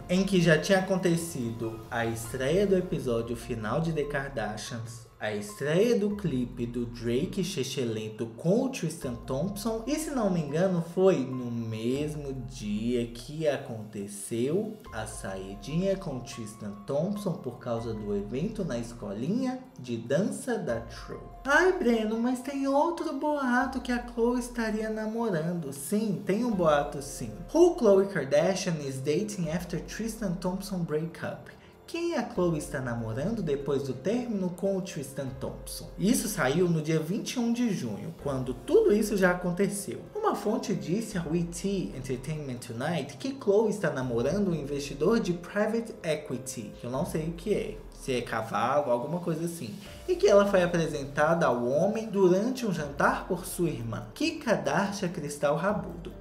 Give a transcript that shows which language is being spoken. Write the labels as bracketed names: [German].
[Portuguese] Em que já tinha acontecido a estreia do episódio final de The Kardashians, a estreia do clipe do Drake Chechelento com o Tristan Thompson, e se não me engano foi no mesmo dia que aconteceu a saidinha com o Tristan Thompson por causa do evento na escolinha de dança da Troy. Ai, Breno, mas tem outro boato que a Khloe estaria namorando. Sim, tem um boato sim. [English] Who Khloe Kardashian is dating after Tristan Thompson breakup? [Portuguese] Quem a Khloe está namorando depois do término com o Tristan Thompson? Isso saiu no dia 21 de junho, quando tudo isso já aconteceu. Uma fonte disse ao ET Entertainment Tonight que Khloe está namorando um investidor de private equity, que eu não sei o que é, se é cavalo, alguma coisa assim, e que ela foi apresentada ao homem durante um jantar por sua irmã, Kika Darcha Cristal Rabudo.